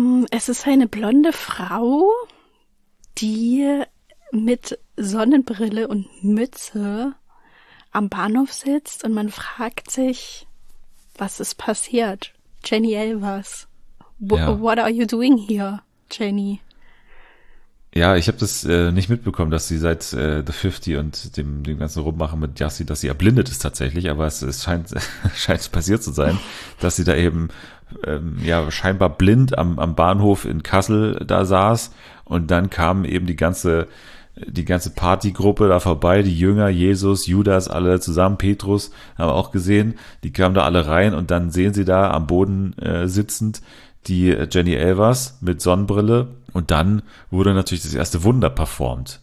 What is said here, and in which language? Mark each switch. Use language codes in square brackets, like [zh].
[de] Es ist eine blonde Frau, die mit Sonnenbrille und Mütze am Bahnhof sitzt und man fragt sich, was ist passiert? Jenny Elvers. [en] What are you doing here, Jenny? [de] Ja, ich habe das nicht mitbekommen, dass sie seit The 50 und dem ganzen Rummachen mit Yassi, dass sie erblindet ist tatsächlich, aber es scheint passiert zu sein, dass sie da eben scheinbar blind am Bahnhof in Kassel da saß und dann kam eben die ganze Partygruppe da vorbei, die Jünger, Jesus, Judas, alle zusammen, Petrus, haben auch gesehen, die kamen da alle rein und dann sehen sie da am Boden sitzend die Jenny Elvers mit Sonnenbrille und dann wurde natürlich das erste Wunder performt.